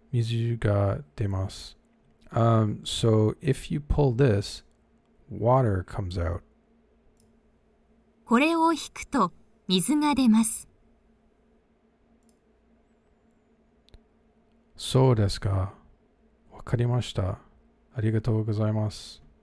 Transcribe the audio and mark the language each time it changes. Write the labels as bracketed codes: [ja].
[ja] これを引きと水が出ます。 [en] So if you pull this, water comes out. [ja] これを引くと水が出ます。そうですか。わかりました。ありがとうございます。